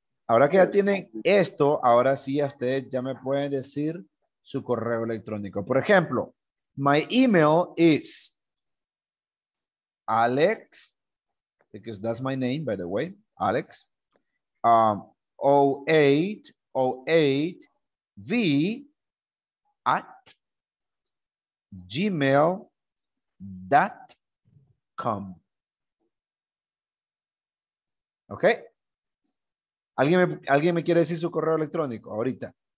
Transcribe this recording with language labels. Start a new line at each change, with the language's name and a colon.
Spanish: Ahora que ya tienen esto, ahora sí a ustedes ya me pueden decir su correo electrónico. Por ejemplo,
English: my email is Alex, because that's my name, by the way, Alex, 0808V at gmail.com. ¿Ok?
Spanish: ¿Alguien me quiere decir su correo electrónico ahorita?